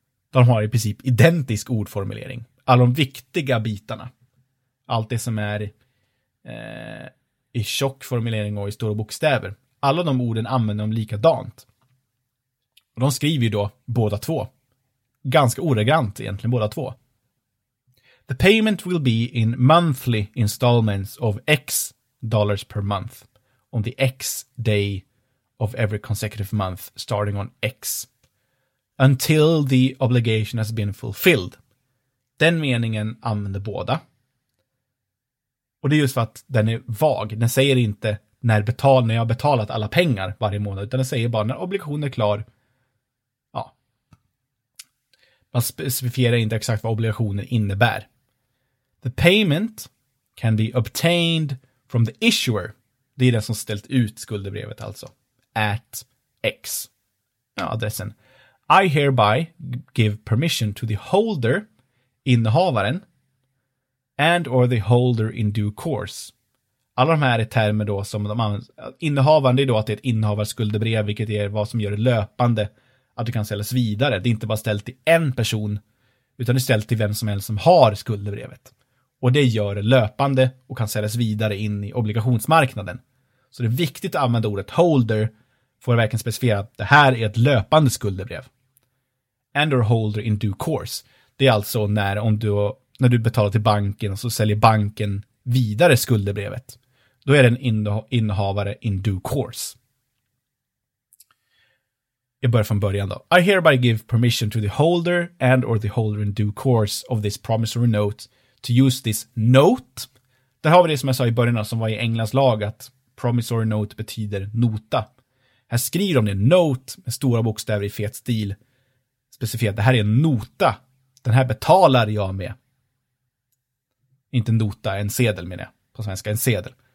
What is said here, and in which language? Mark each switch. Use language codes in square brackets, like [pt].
[sv] De har i princip identisk ordformulering. Alla de viktiga bitarna. Allt det som är i tjock formulering och i stora bokstäver. Alla de orden använder de likadant. Och de skriver ju då båda två. Ganska oregrant egentligen båda två. [en] The payment will be in monthly installments of X $1,000 per month on the X day of every consecutive month starting on X until the obligation has been fulfilled. [sv] Den meningen använder båda. Och det är just för att den är vag. Den säger inte när jag har betalat alla pengar varje månad, utan den säger bara när obligationen är klar. Ja. Man specificerar inte exakt vad obligationen innebär. [en] The payment can be obtained from the issuer. [sv] Det är den som ställt ut skuldebrevet alltså. [en] At X. [sv] Ja, adressen. [en] I hereby give permission to the holder, innehavaren, and or the holder in due course. [sv] Alla de här är termer då som de använder. Innehavaren, det är då att det är ett innehavarskuldebrev, vilket är vad som gör det löpande att det kan säljas vidare. Det är inte bara ställt till en person, utan det är ställt till vem som helst som har skuldebrevet. Och det gör det löpande och kan säljas vidare in i obligationsmarknaden. Så det är viktigt att använda ordet holder för att verkligen specificera att det här är ett löpande skuldebrev. [en] And or holder in due course. [sv] Det är alltså när, om du, när du betalar till banken och så säljer banken vidare skuldebrevet. Då är det en innehavare [en] in due course. [sv] Jag börjar från början då. [en] I hereby give permission to the holder and or the holder in due course of this promissory note to use this note. [sv] Där har vi det som jag sa i början som var i Englands lag, att promissory note betyder nota. Här skriver de en note med stora bokstäver i fet stil. Specifikt, det här är en nota. Den här betalar jag med. Inte en nota, en sedel menar jag. På svenska, en sedel.